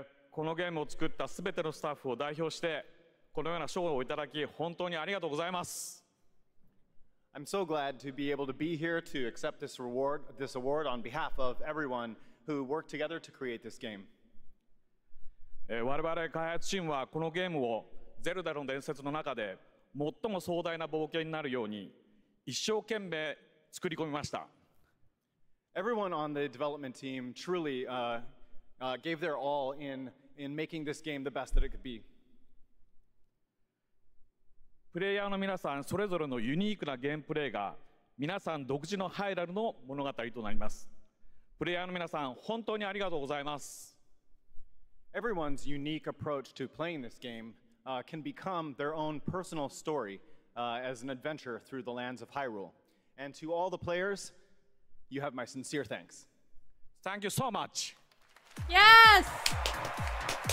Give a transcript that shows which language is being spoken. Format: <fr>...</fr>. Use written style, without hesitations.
<ja>このゲームを作ったすべてのスタッフを代表して、このような賞をいただき、本当にありがとうございます。</ja> <en>I'm so glad to be able to be here to accept this award on behalf of everyone who worked together to create this game.</en> <ja>我々開発チームはこのゲームをゼルダの伝説の中で最も壮大な冒険になるように一生懸命作り込みました。</ja> <en>Everyone on the development team truly gave their all in making this game the best that it could be.</en> <ja>プレイヤーの皆さんそれぞれのユニークなゲームプレイが皆さん独自のハイラルの物語となります。プレイヤーの皆さん本当にありがとうございます。</ja> <en>Everyone's unique approach to playing this game can become their own personal story as an adventure through the lands of Hyrule. And to all the players, you have my sincere thanks. Thank you so much! Yes!</en>